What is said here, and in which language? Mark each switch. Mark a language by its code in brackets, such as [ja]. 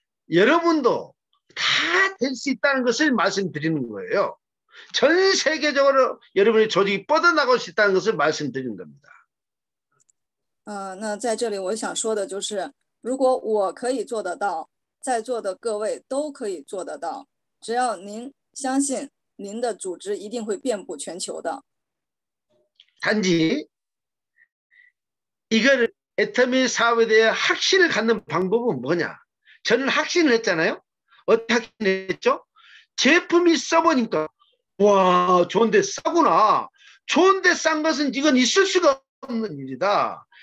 [ko] 여러분도 다될수 있다는 것을 말씀드리는 거예요. 전 세계적으로 여러분의 조직이 뻗어나갈 수 있다는 것을 말씀드린 겁니다. [zh] 那在这里我想说的就是，如果我可以做得到，在座的各位都可以做得到，只要您相信您的组织一定会遍布全球的。 [ko] 단지 이걸 애터미 사업에 대해 확신을 갖는 방법은 뭐냐? 저는 확신을 했잖아요. 어떻게 확신했죠? 제품이 써보니까 와, 좋은데 싸구나. 좋은데 싼 것은 이건 있을 수가 없는 일이다.